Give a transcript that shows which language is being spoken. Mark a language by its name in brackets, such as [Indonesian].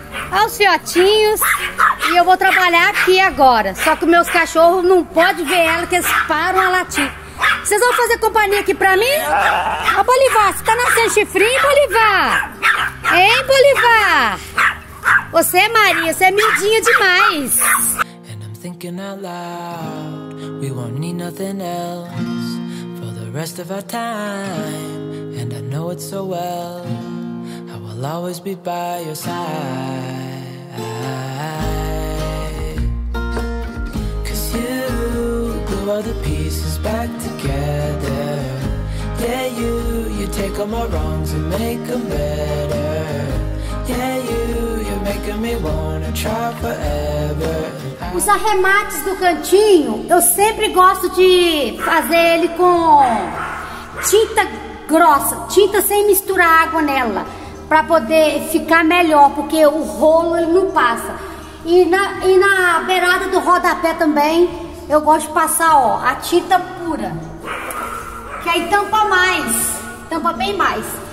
[Portuguese] Olha os fiotinhos. E eu vou trabalhar aqui agora, só que meus cachorros não podem ver ela, que eles param a latir. Vocês vão fazer companhia aqui pra mim? Ó, Bolivar, você tá nascendo chifrinho, Bolivar? Hein, Bolivar? Você, Maria, você é miudinha demais. [English] And I'm thinking out loud. We won't need nothing else for the rest of our time. And I know it so well. I will always be by your side. Cause you glue all the pieces back together. Yeah, you take all my wrongs and make them better. Yeah, you're making me wanna try forever. [Portuguese] Os arremates do cantinho, eu sempre gosto de fazer ele com tinta grossa, tinta sem misturar água nela, pra poder ficar melhor, porque o rolo ele não passa. E na beirada do rodapé também, eu gosto de passar, ó, a tinta pura, que aí tampa mais, tampa bem mais.